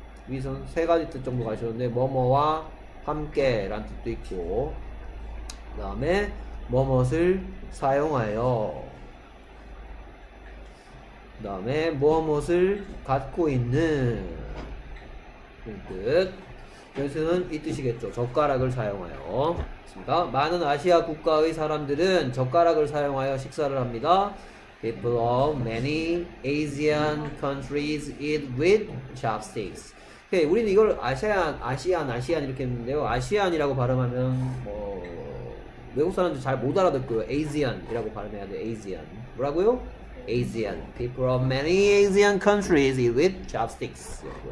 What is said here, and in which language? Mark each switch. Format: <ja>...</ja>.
<ko>위선 세 가지 뜻 정도 가셨는데 뭐뭐와 함께란 뜻도 있고 그 다음에 뭐뭇을 사용하여 그 다음에 뭐뭇을 갖고 있는 그 뜻 그래서는 이 뜻이겠죠. 젓가락을 사용하여 맞습니다. 많은 아시아 국가의 사람들은 젓가락을 사용하여 식사를 합니다.</ko> <en>People of many Asian countries eat with chopsticks. 오케이.</en> <ko>우리는 이걸 아시안 이렇게 했는데요. 아시안이라고 발음하면 뭐 외국 사람들 잘 못 알아듣고요. Asian이라고 발음해야 돼. Asian. 뭐라고요? Asian.</ko> <en>People of many Asian countries eat with chopsticks.</en>